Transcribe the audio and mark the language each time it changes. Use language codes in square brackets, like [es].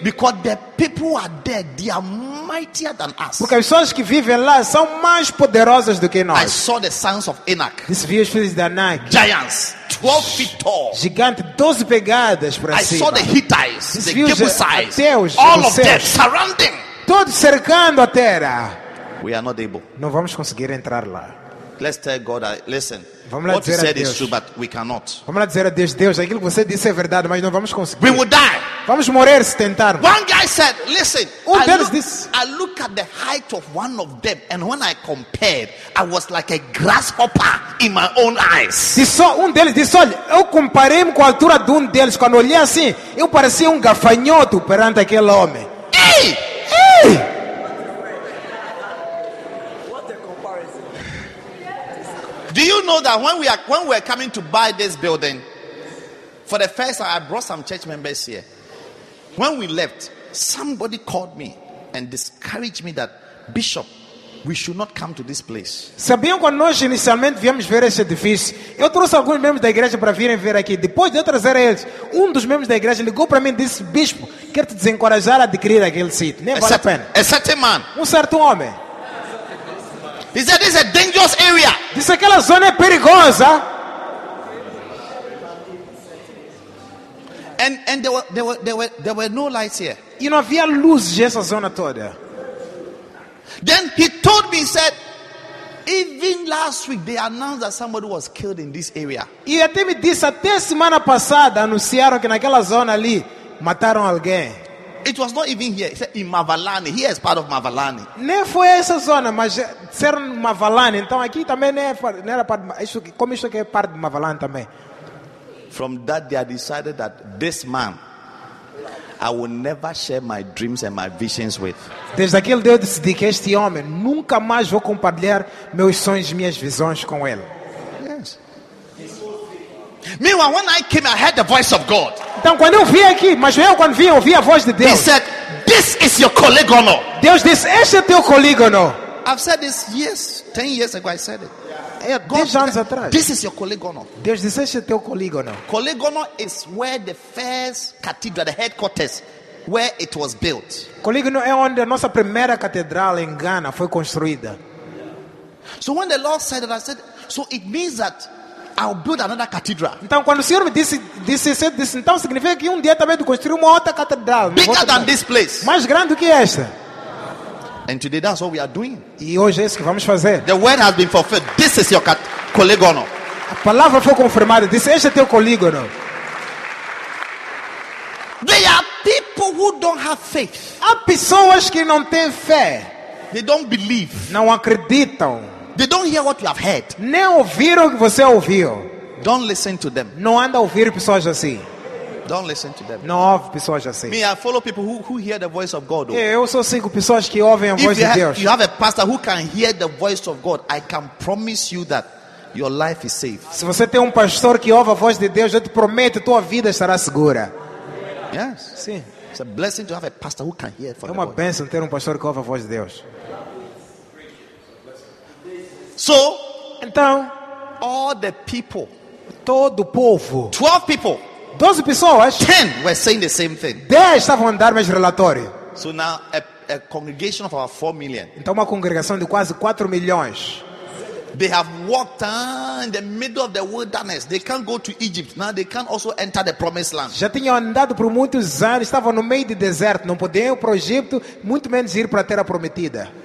[en] Because the people who are dead, they are mightier than us. [pt] Porque as pessoas que vivem lá são mais poderosas do que nós. [en] I saw the sons of Anak. [pt] Os filhos de Anak. [en] Giants, 12 feet tall. [pt] Gigante, 12 pegadas para [en] I [pt] cima. [en] I saw the Hittites, the Jebusites. [pt] Deus, [en] all of them surrounding. [pt] Todos cercando a terra. [en] We are not able. [pt] Não vamos conseguir entrar lá. [en] Let's tell God, listen. [pt] Vamos lá [en] what [pt] dizer [en] you said [pt] a Deus. [en] Is true, but we cannot. [pt] Vamos lá dizer a Deus, Deus, aquilo que você disse é verdade, mas não vamos conseguir. [en] We will die. [pt] Vamos morrer se tentarmos. [en] One guy said, listen, I look at the height of one of them, and when I compared, I was like a grasshopper in my own eyes. [pt] Disse, deles disse, olha, eu comparei-me com a altura de deles, quando olhei assim, eu parecia gafanhoto perante aquele homem. Ei! Ei! [en] Do you know that when we are coming to buy this building, for the first time I brought some church members here. When we left, somebody called me and discouraged me that Bishop, we should not come to this place. [pt] Sabiam quando nós inicialmente viemos ver esse edifício, eu trouxe alguns membros da igreja para virem ver aqui. Depois de eu trazer eles, dos membros da igreja ligou para mim e disse, Bishop, quero te desencorajar a adquirir aquele sítio. Nem vale a pena. [en] A certain man. [pt] Certo homem. [en] He said, this is a dangerous area. [pt] Disse aquela zona é perigosa. [en] And there were no lights here. [pt] E não havia luz nessa zona toda. [en] Then he told me, he said, even last week they announced that somebody was killed in this area. [pt] E até me disse, até semana passada anunciaram que naquela zona ali mataram alguém. [en] It was not even here. He said in Mavalani. Here is part of Mavalani. [pt] Nem foi essa zona, mas disseram Mavalani. Então aqui também não era parte de Mavalani. Como isso aqui é parte de Mavalani também. [en] From that they had decided that this man I will never share my dreams and my visions with. [pt] Desde aquele dia eu decidi que este homem nunca mais vou compartilhar meus sonhos, minhas visões com ele. [en] Yes. Meanwhile, when I came, I heard the voice of God. [pt] Então, quando eu vi aqui, mas eu quando vim, ouvi a voz de Deus. [en] He said, "This is your colleague." [pt] Deus disse, este é teu colega. [en] I've said this years, 10 years ago I said it. [pt] God, 10 anos atrás. [en] This is your colegono. [pt] Deus disse, este é teu colegono. [en] Colegono is where the first cathedral, the headquarters, where it was built. [pt] Colegono é onde a nossa primeira catedral em Ghana foi construída. [en] So when the Lord said that, I said, so it means that I'll build another cathedral. [pt] Então quando o Senhor me disse isso, então significa que dia também de construir uma outra catedral. [en] Bigger than this place. [pt] Mais grande do que esta. [en] And today that's what we are doing. [pt] E hoje é isso que vamos fazer. [en] The word has been fulfilled. This is your colegono. [pt] A palavra foi confirmada. Disse, este é teu colegono. [en] There are people who don't have faith. [pt] Há pessoas que não têm fé. [en] They don't believe. [pt] Não acreditam. [en] They don't hear what you have heard. [pt] Nem ouviram o que você ouviu. [en] Don't listen to them. [pt] Não anda a ouvir pessoas assim. [en] Don't listen to them. [pt] Não ouve pessoas assim. [en] Me, I follow people who hear the voice of God. [pt] Oh. Eu só sigo pessoas que ouvem a [en] if [pt] voz de Deus. [en] If you have a pastor who can hear the voice of God, I can promise you that your life is safe. [pt] Se você tem pastor que ouve a voz de Deus, eu te prometo, tua vida estará segura. [en] Yes. [pt] Sim. [en] It's a blessing to have a pastor who can hear it for the voice. [pt] É uma bênção ter pastor que ouve a voz de Deus. [en] So, [pt] então, [en] all the people, [pt] todo o povo, [en] 12 people. [pt] 12 pessoas. [en] 10 were saying the same thing. [pt] 10 estavam a dar o mesmo relatório. [en] So now a congregation of about 4 million. [pt] Então uma congregação de quase 4 milhões. [en] They have walked in the middle of the wilderness. They can't go to Egypt. Now they can't also enter the promised land. [pt] Já tinham andado por muitos anos, estavam no meio do deserto, não podiam ir para o Egito, muito menos ir para a terra prometida.